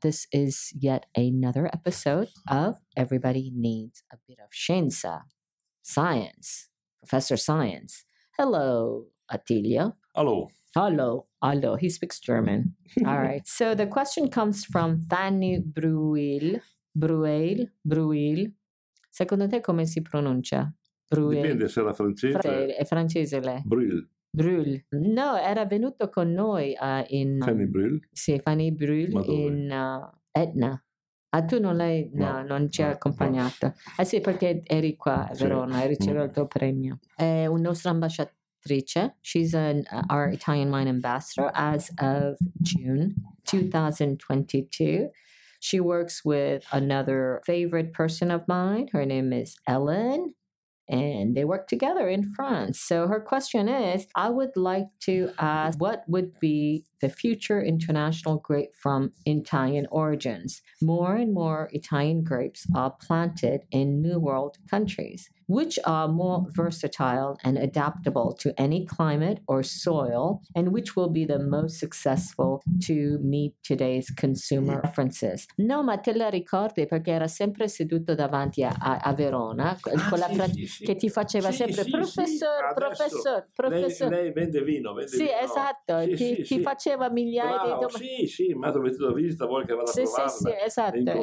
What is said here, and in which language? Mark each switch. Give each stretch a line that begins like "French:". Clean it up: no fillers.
English: This is yet another episode of Everybody Needs a Bit of Scienza. Science. Professor Science. Hello, Attilio. Hello. Hello. Hello. He speaks German. All right. So the question comes from Fanny Breuil. Breuil, Breuil.
Italian: Secondo te come si pronuncia? Breuil. Dipende se è la francese. È francese lei. Breuil. Breuil. No, era venuto con noi in... Fanny Breuil. Sì, Fanny Breuil in Etna. Ah, tu non l'hai... No, no, non ci hai accompagnato. No. Ah sì, perché eri qua a Verona, hai ricevuto il tuo premio. È un nostro ambasciatrice.
English: She's our Italian wine ambassador as of June 2022. She works with another favorite person of mine. Her name is Ellen, and they work together in France. So her question is, I would like to ask, what would be the future international grape from Italian origins? More and more Italian grapes are planted in New World countries, which are more versatile and adaptable to any climate or soil, and which will be the most successful to meet today's consumer preferences.
Italian: No, ma te la ricordi perché era sempre seduto davanti a Verona, con la frase che ti faceva sempre, professor. Lei vende vino, vino. Esatto, sì, ti faceva migliaia di domande. Sì, mi ha trovato la visita, vuole che vada a trovarla. Sì, esatto,